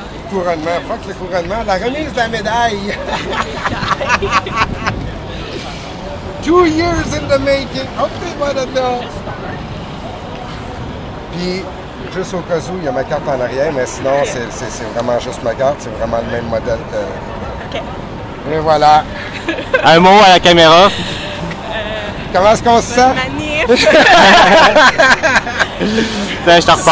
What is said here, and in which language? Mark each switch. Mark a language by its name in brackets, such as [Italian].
[French] Couronnement, fuck le couronnement, la remise de la médaille. [English] 2 years in the making, hope they wanna know. [French] Puis, juste au cas où, il y a ma carte en arrière, mais sinon, c'est vraiment juste ma carte, c'est vraiment le même modèle que. Ok. Et voilà. Un mot à la caméra. Comment est-ce qu'on se sent? Je te repasse.